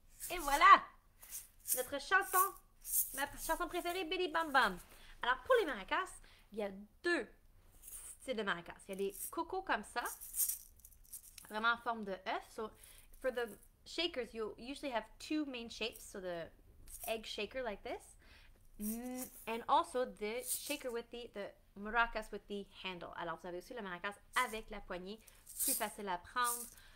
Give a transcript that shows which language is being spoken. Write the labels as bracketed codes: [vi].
[fr] Et voilà, notre chanson, ma chanson préférée, Billy Bam Bam. Alors, pour les maracas, il y a deux styles de maracas. Il y a des cocos comme ça, vraiment en forme de œuf. [en] So, for the shakers, you usually have two main shapes. So, the egg shaker like this. And also, the shaker with the maracas with the handle. [fr] Alors, vous avez aussi le maracas avec la poignée, plus facile à prendre.